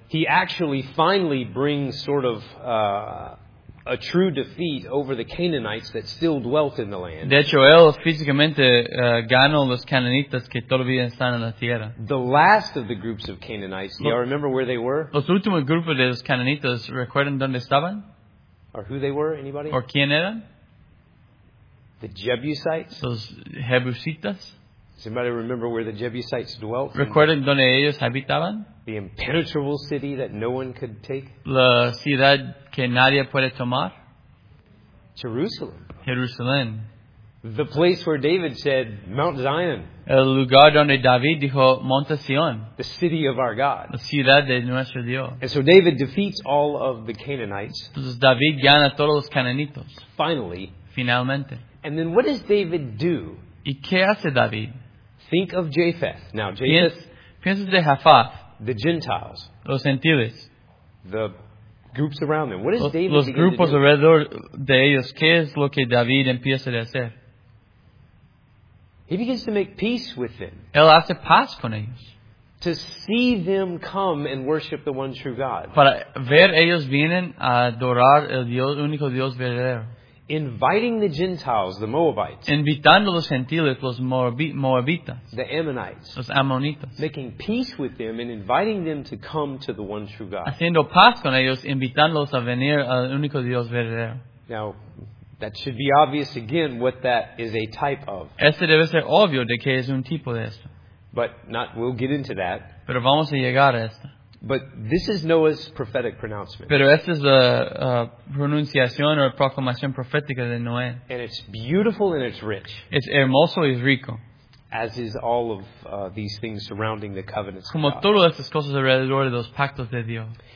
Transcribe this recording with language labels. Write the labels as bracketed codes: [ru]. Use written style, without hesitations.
[en] He actually finally brings sort of a true defeat over the Canaanites that still dwelt in the land. [es] De hecho, él físicamente ganó los cananitas que todavía están en la tierra. [en] The last of the groups of Canaanites, do you remember where they were? [es] Los últimos grupos de los cananitas, ¿recuerdan dónde estaban? [en] Or who they were, anybody? [es] ¿O quién eran? [en] The Jebusites. [es] Los Jebusitas. [en] Does anybody remember where the Jebusites dwelt? [es] ¿Recuerdan dónde ellos habitaban? [en] The impenetrable city that no one could take. [es] La ciudad que nadie puede tomar. [en] Jerusalem. [es] Jerusalén. [en] The place where David said, Mount Zion. [es] El lugar donde David dijo, Monte Sion. [en] The city of our God. [es] La ciudad de nuestro Dios. [en] And so David defeats all of the Canaanites. [es] Entonces David gana todos los cananitos. [en] Finally. [es] Finalmente. [en] And then what does David do? [es] ¿Y qué hace David? [en] Think of Japheth. Now, Japheth. [es] Piensas de Japheth. [en] The Gentiles. [es] Los gentiles. [en] The groups around them. What is David doing? [es] Los grupos alrededor de ellos. ¿Qué es lo que David empieza a hacer? [en] He begins to make peace with them. [es] Él hace paz con ellos. [en] To see them come and worship the one true God. [es] Para ver ellos vienen a adorar el Dios, único Dios verdadero. [en] Inviting the Gentiles, the Moabites. [es] Invitando los gentiles, los Moabitas. [en] The Ammonites. [es] Los Ammonitas. [en] Making peace with them and inviting them to come to the one true God. [es] Haciendo paz con ellos, invitándolos a venir al único Dios verdadero. [en] Now, that should be obvious again what that is a type of. [es] Este debe ser obvio de que es un tipo de esto. [en] But not, we'll get into that. [es] Pero vamos a llegar a esto. [en] But this is Noah's prophetic pronouncement. [es] Pero esta es la pronunciación o proclamación profética de Noé. [en] And it's beautiful and it's rich. [es] Es hermoso y rico. [en] As is all of these things surrounding the covenants. [es] Como todas estas cosas alrededor de los pactos de Dios.